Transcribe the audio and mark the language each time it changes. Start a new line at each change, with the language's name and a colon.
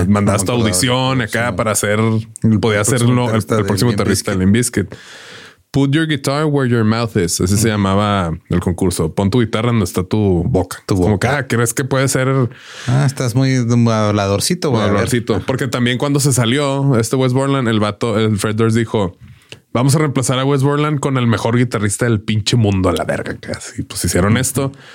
Spanish: Mandaste audición acá para hacer. Podía hacerlo el próximo guitarrista de Limp Bizkit.
English: Put your guitar where your mouth is.
Spanish: Ese se llamaba el concurso. Pon tu guitarra donde está tu boca. Tu boca. Como que, ¿crees que puede ser? Ah, estás muy habladorcito, güey. Habladorcito. Porque también cuando se salió West Borland, el Fred Durst dijo. Vamos a reemplazar a West Borland con el mejor guitarrista del pinche mundo, a la verga, casi. Pues hicieron esto.